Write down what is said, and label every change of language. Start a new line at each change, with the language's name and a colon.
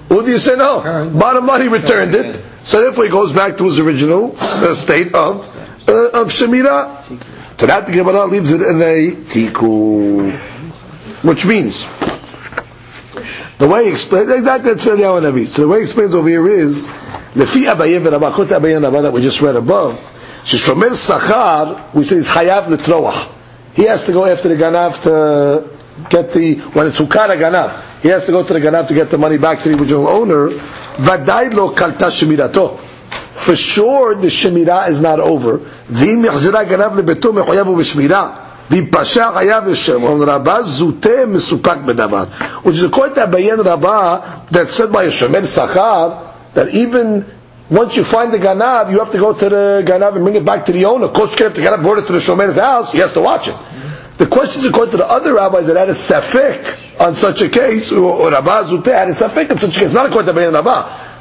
English: Or do you say, no, bottom line, he returned it. So therefore, he goes back to his original state of shemira. So that the Gemara leaves it in a tiku. Which means, the way he explains, exactly, that's really how it is. So the way he explains over here is,
Hebrew: לפי אביי ורבא, כותה אביי ורבא
English: that we just read above, ששומר שכר, we say, is
Hebrew: חייב לתרוח.
English: He has to go after the ganav to get the, when it's hukar הגנב, he has to go to the ganav to get the money back to the original owner,
Hebrew: ודאי לא קלטה שמירתו.
English: For sure, the שמירה is not over.
Hebrew: ואם יחזירה הגנב לביתו, מחויב הוא בשמירה. ואם פשע חייב לשם, אומר רבא, זוטה מסופק בדבר.
English: Which is according to אביי ורבא, that said by a שומר שכר, that even once you find the ganav, you have to go to the ganav and bring it back to the owner. Of course, you have to get up, brought it to the shomer's house. He has to watch it. The question is, according to the other rabbis, that had a safek on such a case, or Rabba Zuteh had a safek on such a case. Not according to Ben Rabba.